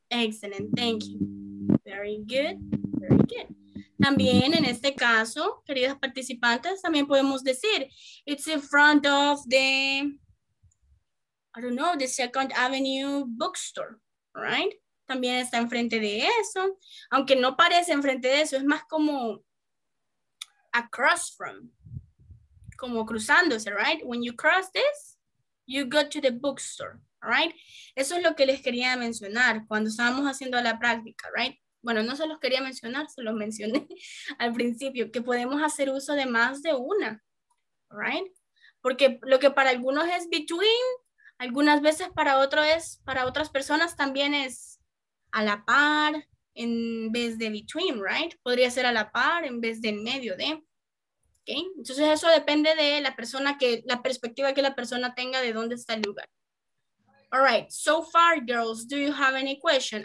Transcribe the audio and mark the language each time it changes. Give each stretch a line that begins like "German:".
English: Excellent. Thank you. Very good. Very good.
Spanish: También en este caso, queridas participantes, también podemos decir,
English: it's in front of the. I don't know, the Second Avenue bookstore, right?
Spanish: También está enfrente de eso. Aunque no parece enfrente de eso, es más como across from, como cruzándose, right?
English: When you cross this, you go to the bookstore, right?
Spanish: Eso es lo que les quería mencionar cuando estábamos haciendo la práctica, right? Bueno, no se los quería mencionar, se los mencioné al principio, que podemos hacer uso de más de una, right? Porque lo que para algunos es between, algunas veces para otro es, para otras personas también es a la par en vez de between, right? Podría ser a la par en vez de en medio de, okay? Entonces eso depende de la persona que, la perspectiva que la persona tenga de dónde está el lugar.
English: All right, so far, girls, do you have any question?